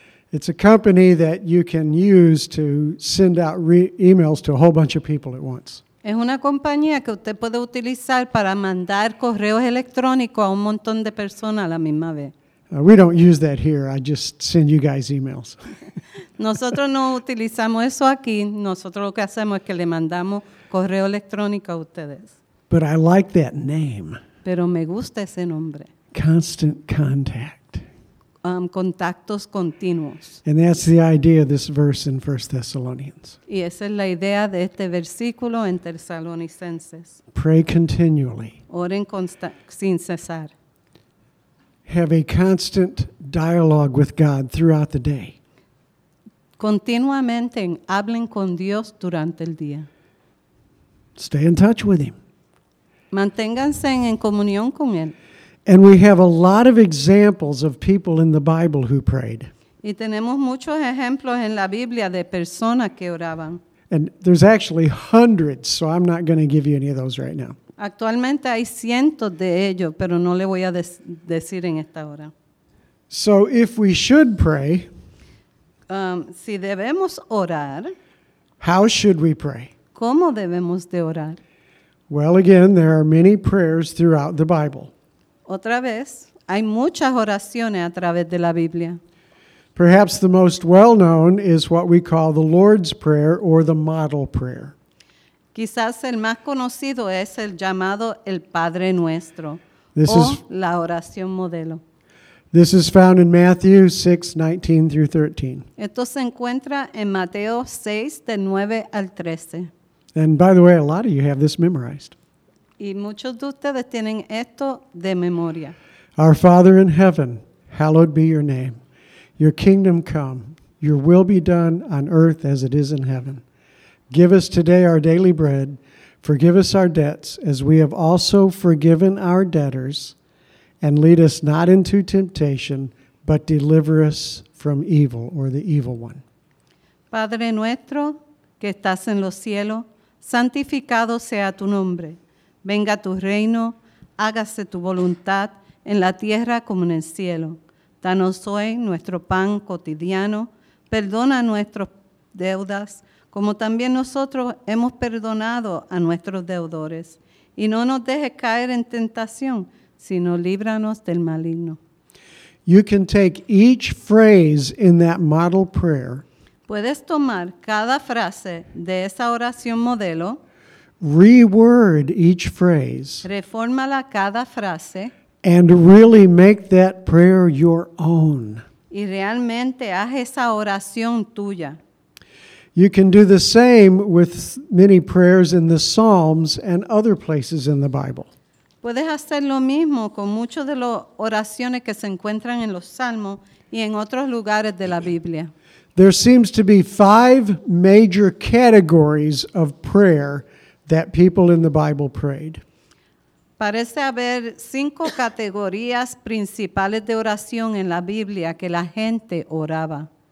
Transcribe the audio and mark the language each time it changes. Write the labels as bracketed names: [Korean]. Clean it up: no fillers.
[English] It's a company that you can use to send out emails to a whole bunch of people at once. [Spanish] Es una compañía que usted puede utilizar para mandar correos electrónicos a un montón de personas a la misma vez. [English] We don't use that here. I just send you guys emails. [Spanish] Nosotros no utilizamos eso aquí. Nosotros lo que hacemos es que le mandamos correo electrónico a ustedes. [English] But I like that name. [Spanish] Pero me gusta ese nombre. [English] Constant Contact. [Spanish] Contactos continuos. [English] And that's the idea of this verse in 1 Thessalonians. [Spanish] Y esa es la idea de este versículo en Tesalonicenses. [English] Pray continually. [Spanish] Oren sin cesar. [English] Have a constant dialogue with God throughout the day. [Spanish] Continuamente hablen con Dios durante el día. [English] Stay in touch with Him. [Spanish] Manténganse en comunión con Él. [English] And we have a lot of examples of people in the Bible who prayed. [Spanish] Y tenemos muchos ejemplos en la Biblia de personas que oraban. [English] And there's actually hundreds, so I'm not going to give you any of those right now. [Spanish] Actualmente hay cientos de ellos, pero no le voy a decir en esta hora. [English] So if we should pray, [Spanish] si debemos orar, [English] how should we pray? [Spanish] ¿Cómo debemos de orar? [English] Well, again, there are many prayers throughout the Bible. [Spanish] Otra vez, hay muchas oraciones a través de la Biblia. [English] Perhaps the most well-known is what we call the Lord's Prayer or the Model Prayer. [Spanish] Quizás el más conocido es el llamado el Padre Nuestro, this o is, la oración modelo. [English] This is found in Matthew 6:19-13. [Spanish] Esto se encuentra en Mateo 6, de 9 al 13. [English] And by the way, a lot of you have this memorized. [Spanish] Y muchos de ustedes tienen esto de memoria. [English] Our Father in heaven, hallowed be your name. Your kingdom come, your will be done on earth as it is in heaven. Give us today our daily bread. Forgive us our debts as we have also forgiven our debtors. And lead us not into temptation, but deliver us from evil or the evil one. [Spanish] Padre nuestro, que estás en los cielos, santificado sea tu nombre. Venga tu reino, hágase tu voluntad en la tierra como en el cielo. Danos hoy nuestro pan cotidiano, perdona nuestras deudas, como también nosotros hemos perdonado a nuestros deudores. Y no nos dejes caer en tentación, sino líbranos del maligno. [English] You can take each phrase in that model prayer. [Spanish] Puedes tomar cada frase de esa oración modelo. [English] Reword each phrase. [Spanish] Reformala cada frase. [English] And really make that prayer your own. [Spanish] Y realmente haz esa oración tuya. [English] You can do the same with many prayers in the Psalms and other places in the Bible. [Spanish] Puedes hacer lo mismo con muchas de las oraciones que se encuentran en los Salmos y en otros lugares de la Biblia. [English] There seems to be 5 major categories of prayer that people in the Bible prayed. [Spanish] Parece haber 5 categorías principales de oración en la Biblia que la gente oraba.